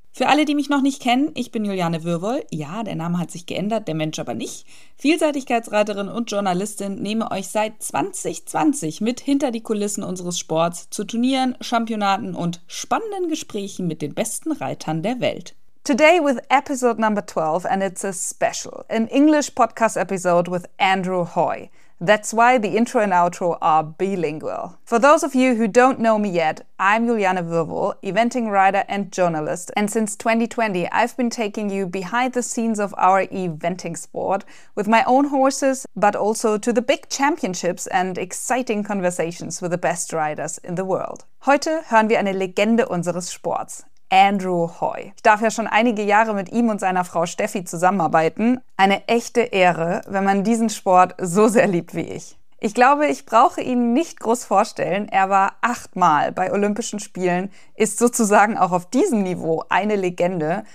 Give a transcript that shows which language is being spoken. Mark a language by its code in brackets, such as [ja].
[de] Für alle, die mich noch nicht kennen, ich bin Juliane Wirwoll. Ja, der Name hat sich geändert, der Mensch aber nicht. Vielseitigkeitsreiterin und Journalistin, nehme euch seit 2020 mit hinter die Kulissen unseres Sports zu Turnieren, Championaten und spannenden Gesprächen mit den besten Reitern der Welt. [en] Today with episode number 12 and it's a special, an English podcast episode with Andrew Hoy. That's why the intro and outro are bilingual. For those of you who don't know me yet, I'm Juliane Wirwoll, eventing writer and journalist. And since 2020, I've been taking you behind the scenes of our eventing sport with my own horses, but also to the big championships and exciting conversations with the best riders in the world. [de] Heute hören wir eine Legende unseres Sports. Andrew Hoy. Ich darf ja schon einige Jahre mit ihm und seiner Frau Steffi zusammenarbeiten. Eine echte Ehre, wenn man diesen Sport so sehr liebt wie ich. Ich glaube, ich brauche ihn nicht groß vorstellen. Er war 8-mal bei Olympischen Spielen, ist sozusagen auch auf diesem Niveau eine Legende.